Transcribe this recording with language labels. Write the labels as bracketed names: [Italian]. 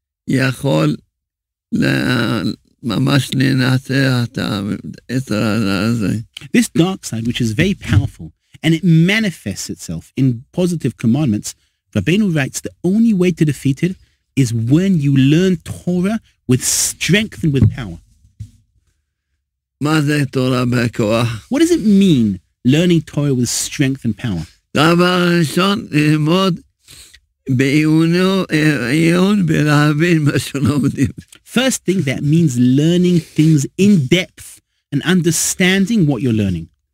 [Hebrew] יכול ממש לנצח את העזר הזה. [English] This dark side, which is very powerful, and it manifests itself in positive commandments, Rabbeinu writes, the only way to defeat it is when you learn Torah with strength and with power. [Hebrew] מה זה תורה בכוח? [English] What does it mean, learning Torah with strength and power? [Hebrew] דבר ראשון, ללמוד בעיון ולהבין מה שלומדים. [English] First thing, that means learning things in depth and understanding what you're learning.